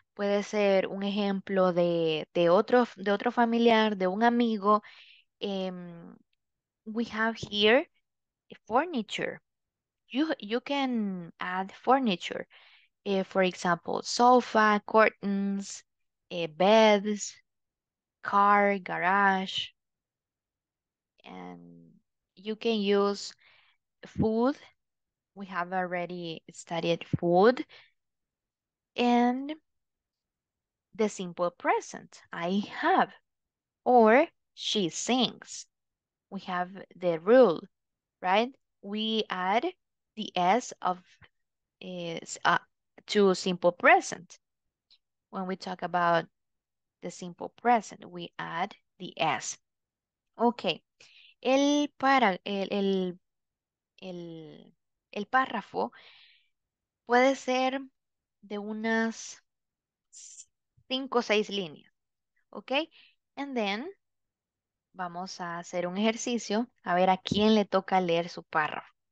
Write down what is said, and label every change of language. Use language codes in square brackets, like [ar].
[es] Puede ser un ejemplo de otro familiar, de un amigo. [en] We have here furniture. You can add furniture, for example, sofa, curtains, beds, car, garage, and you can use food. We have already studied food. in the simple present, I have, or she sings. We have the rule, right? We add the S of is to simple present. When we talk about the simple present, we add the S. Okay. [es] El párrafo puede ser de unas 5 o 6 líneas. Okay? [en] And then [es] vamos a hacer un ejercicio a ver a quién le toca leer su párrafo.